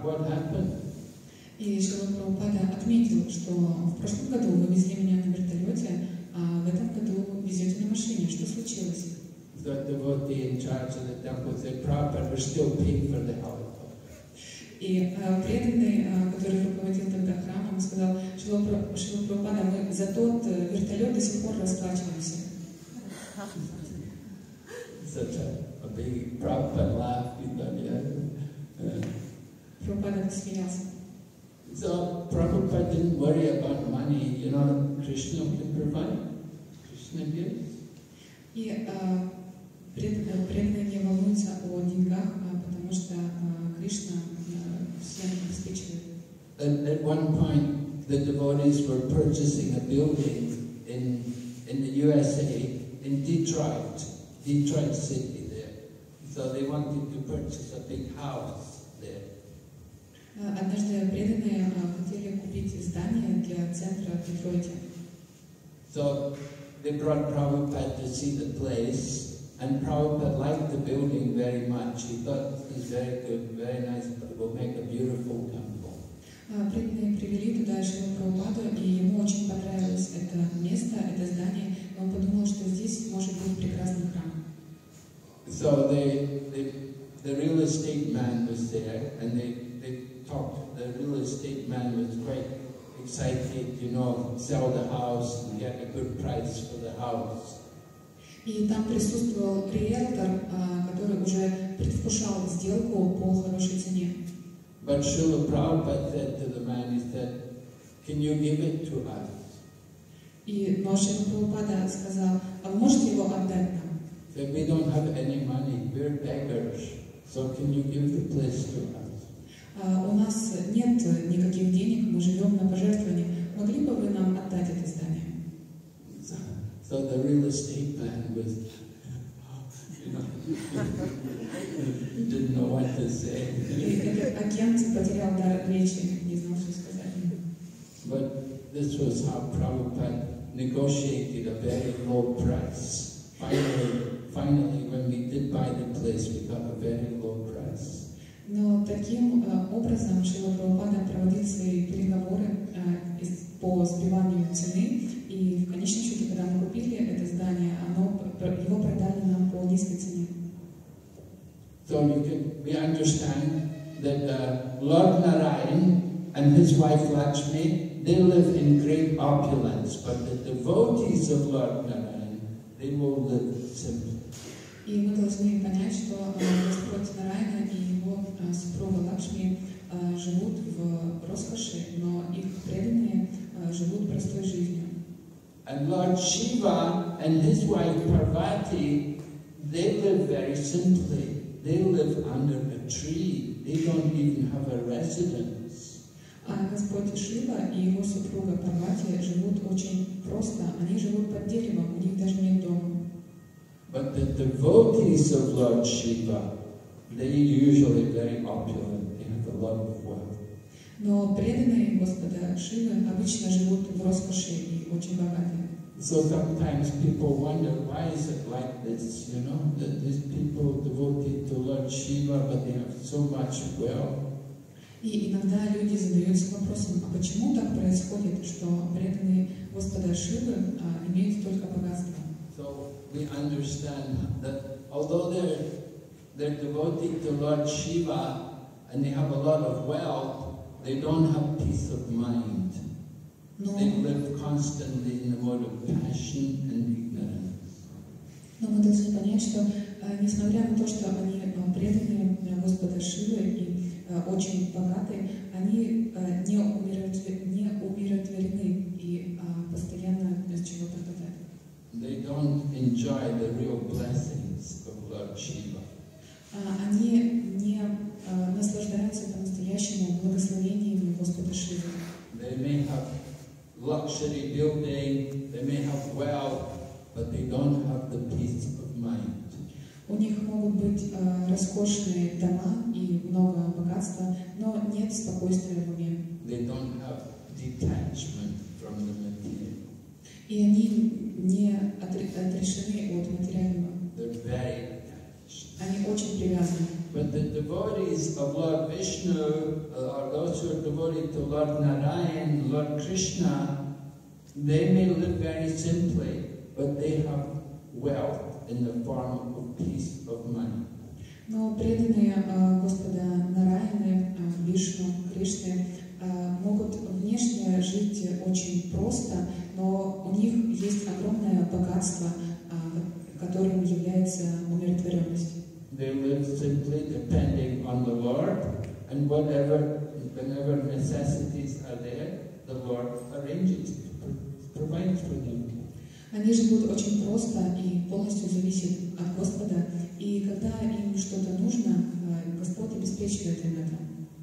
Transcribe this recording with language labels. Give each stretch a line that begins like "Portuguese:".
English: What happened?
Russian: И Шрила Прабхупада отметил, что в прошлом году вы везли меня на вертолете, а в этом году везете на машине. Что случилось?
English: The devotee in charge of the temple said, Prabhupada, we're still paying for the helicopter.
Russian: И преданный, который руководил тогда храмом, сказал, Шрила Прабхупада, мы за тот вертолет до сих пор расплачиваемся.
English: Such a big Prabhupada laughed, you know, yeah.
Russian: Прабхупада посмеялся.
English: So Prabhupada didn't worry about money, you know, Krishna can provide. Krishna gives.
Russian: И преданные не волнуются о деньгах, потому что Кришна всем обеспечивает.
English: At one point the devotees were purchasing a building in the USA, in Detroit City there. So they wanted to purchase a big house there.
Russian: Однажды преданные хотели купить здание для центра в Детройте.
English: So they brought Prabhupada to see the place, and Prabhupada liked the building very much. He thought it's very good, very nice, but it will make a beautiful temple.
Russian: Преданные привели туда Шрилу Прабхупаду, и ему очень понравилось это место, это здание. Он подумал, что здесь может быть прекрасный храм.
English: So the real estate man was there, and the real estate man was quite excited, you know, sell the house and get a good price for the house.
Russian: И там присутствовал риэлтор, который уже предвкушал сделку по хорошей цене.
English: But Srila Prabhupada said to the man, he said, can you give it to us?
Russian: И Шрила Прабхупада сказал, а вы можете его отдать нам?
English: that we don't have any money, we're beggars, so can you give the place to us?
Russian: У нас нет никаких денег, мы живем на пожертвования. Могли бы вы нам отдать это здание?
English: So the real estate man was, didn't know what to say.
Russian: Агент потерял дар речи, не знал, что сказать.
English: But this was how Prabhupada negotiated a very low price. Finally, when we did buy the place, we got a very low price.
Russian: Но таким образом Шрила Прабхупада проводил свои переговоры по сбиванию цены, и в конечном счете, когда мы купили это здание, его продали нам по низкой цене.
English: So we understand that Lord Narayan and his wife Lakshmi, they live in great opulence, but the devotees of Lord Narayan, they will live simply.
Russian: И мы должны понять, что Господь Нарайана и его супруга Лакшми живут в роскоши, но их преданные живут простой жизнью.
English: And Lord Shiva and his wife Parvati, they live very simply. They live under a tree. They don't even have a residence.
Russian: А Господь Шива и его супруга Парвати живут очень просто. Они живут под деревом, у них даже нет дома.
English: But the devotees of Lord Shiva, they usually very opulent, they have a lot of wealth.
Russian: Но преданные Господа Шивы обычно живут в роскоши и очень богатые.
English: So sometimes people wonder, why is it like this, you know, that these people devoted to Lord Shiva, but they have so much wealth.
Russian: И иногда люди задаются вопросом, а почему так происходит, что преданные Господа Шивы имеют столько богатства?
English: So we understand that although they're devoted to Lord Shiva and they have a lot of wealth, they don't have peace of mind. No. They live constantly in a mode of passion and ignorance.
Russian: Но мы должны понять, что несмотря на то, что они преданы Господа Шивы и очень богаты, они не умиротворены и постоянно без чего-то хотят.
English: They don't enjoy the real blessings of Lord Shiva.
Russian: Они не наслаждаются по-настоящему благословениями Господа Шивы.
English: They may have luxury building, they may have wealth, but they don't have the peace of mind.
Russian: У них могут быть роскошные дома и много богатства, но нет спокойствия в уме.
English: They don't have detachment from the material.
Russian: И они не отрешены от материального.
English: They're very attached.
Russian: Они очень привязаны.
English: But the devotees of Lord Vishnu, or those who are devoted to Lord Narayan, Lord Krishna, they may live very simply, but they have wealth in the form of peace of mind.
Russian: Но преданные Господа Нараяны, Вишну, Кришны, могут внешне жить очень просто, но у них есть огромное богатство, которым является умиротворенность.
English: They live simply depending on the Lord, and whenever necessities are there, the Lord arranges, provides for them.
Russian: Они живут очень просто и полностью зависят от Господа, и когда им что-то нужно, Господь обеспечивает им это.